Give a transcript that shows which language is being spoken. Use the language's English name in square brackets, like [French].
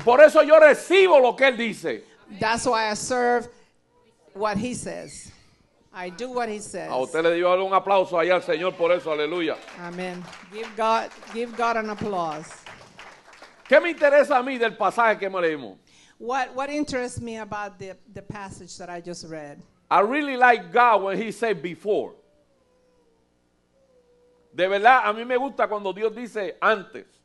[Spanish] Por eso yo recibo lo que él dice. [English] That's why I serve what he says. I do what he says. [Spanish] A usted le dio un aplauso allá al Señor por eso, aleluya. [English] Amen. Give God an applause. [Spanish] ¿Qué me interesa a mí del pasaje que leímos? [English] What interests me about the passage that I just read? I really like God when he said before. [Spanish] De verdad, a mí me gusta cuando Dios dice antes.